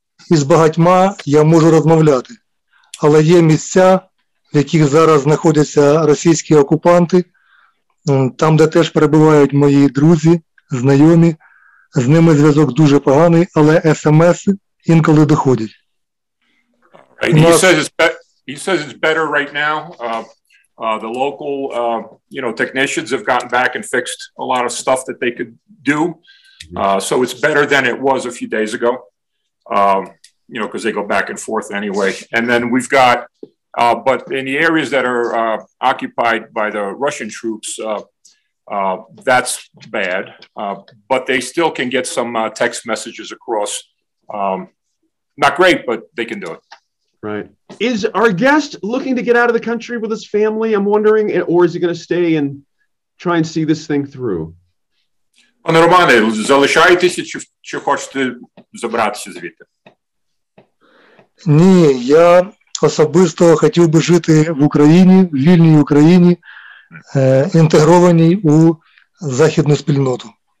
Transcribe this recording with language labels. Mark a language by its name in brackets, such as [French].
[Ukrainian] І з багатьма я можу розмовляти. Але є місця, в яких зараз знаходяться російські окупанти, там, де теж перебувають мої друзі, знайомі. З ними зв'язок дуже поганий, але СМС інколи доходять. [English] He says it's better right now. The local, technicians have gotten back and fixed a lot of stuff that they could do. So it's better than it was a few days ago, because they go back and forth anyway. And then we've got, but in the areas that are occupied by the Russian troops, that's bad. But they still can get some text messages across. Not great, but they can do it. Right. Is our guest looking to get out of the country with his family? I'm wondering, or is he going to stay and try and see this thing through? [Ukrainian] Пане Романе, залишаєтеся чи хочете забратися звідти? Ні, я особисто хотів би жити в Україні, в вільній Україні, інтегрованій у західну спільноту.